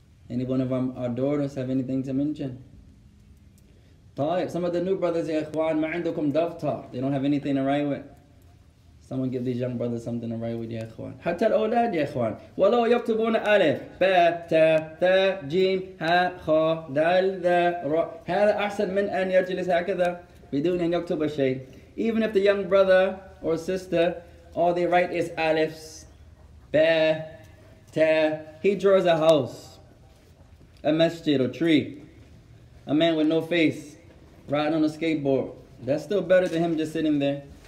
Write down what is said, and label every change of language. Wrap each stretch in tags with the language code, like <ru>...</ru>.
<en>Any one of our daughters have anything to mention? طيب, some of the new brothers, يا إخوان,</en> <ar>ما عندكم دفتر.</ar> <en>They don't have anything to write with. Someone give these young brothers something to write with, يا إخوان.</en> <ar>حتى الأولاد, يا إخوان. ولو يكتبون ألف ب ت ث جيم ح خ دال ذ ر. هذا أحسن من أن يجلس هكذا. بدون أن يكتب شيء.</ar> <en>Even if the young brother or sister, all they write is alifs, ba, ta. He draws a house, a masjid, a tree. A man with no face, riding on a skateboard. That's still better than him just sitting there.</en>